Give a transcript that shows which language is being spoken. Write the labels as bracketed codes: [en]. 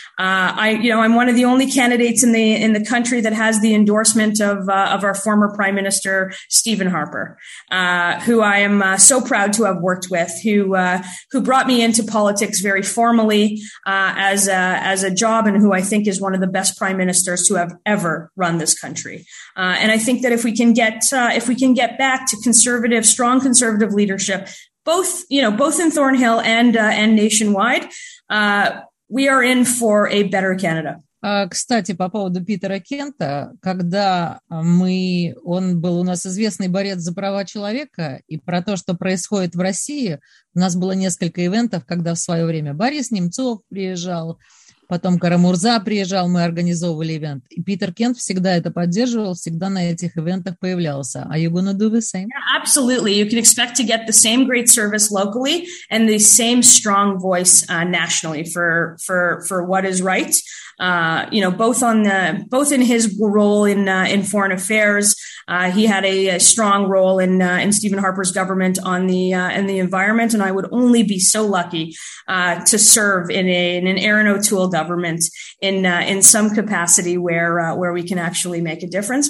[en] I'm one of the only candidates in the country that has the endorsement of our former Prime Minister Stephen Harper, who I am so proud to have worked with, who brought me into politics very formally as a job, and who I think is one of the best prime ministers to have ever run this country. And I think that if we can get back to conservative, strong conservative leadership, both in Thornhill and nationwide, we are in for a better Canada. [ru] Кстати, по поводу Питера Кента, когда он был у нас известный борец за права человека и про то, что происходит в России, у нас было несколько ивентов, когда в свое время Борис Немцов приезжал, потом Карамурза приезжал, мы организовывали ивент. И Питер Кент всегда это поддерживал, всегда на этих ивентах появлялся. [en] Are you going to do the same? Yeah, absolutely. You can expect to get the same great service locally and the same strong voice nationally for what is right. Both in his role in foreign affairs, he had a strong role in Stephen Harper's government on in the environment, and I would only be so lucky to serve in an Erin O'Toole government in some capacity where we can actually make a difference.